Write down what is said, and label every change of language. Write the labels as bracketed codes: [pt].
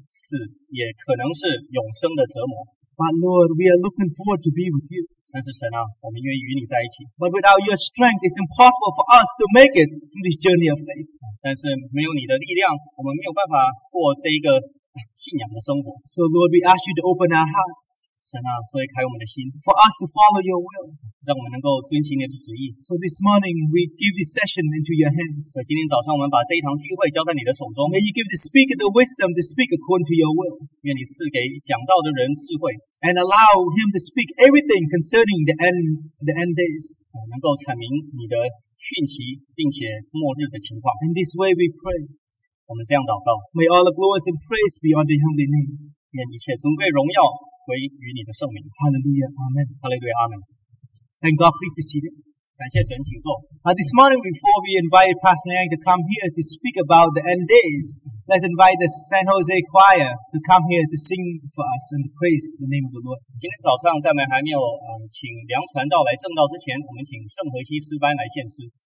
[zh] 死也可能是永生的折磨。 [en] But Lord, we are looking forward to be with you. [zh] 但是神啊，我们愿意与你在一起。 [en] But without your strength, it's impossible for us to make it through this journey of faith. [zh] 但是没有你的力量，我们没有办法过这一个信仰的生活。 [en] So Lord, we ask you to open our hearts. [zh] 神啊，所以开我们的心。 [en] For us to follow your will. [zh] 让我们能够遵行你的旨意。 [en] So this morning, we give this session into your hands. [zh] 所以今天早上我们把这一堂聚会交在你的手中。 [en] May you give the speaker the wisdom to speak according to your will. [zh] 愿你赐给讲道的人智慧。 [en] And allow him to speak everything concerning the end days. [zh] 能够阐明你的讯息，并且末日的情况。 [en] In this way we pray. [zh] 我们这样祷告。 [en] May all the glories and praise be unto your holy name. [zh] 愿一切尊贵荣耀归于你的圣名。 [en] Hallelujah, Amen. Hallelujah, Amen. And God, please be seated. [zh] 感谢神，请坐。 [en] This morning before we invited Pastor Nang to come here to speak about the end days, Let's invite the San Jose Choir to come here to sing for us and praise the name of the Lord. [zh] 今天早上赞美还没有请梁传道来证道之前，我们请圣何西诗班来献诗。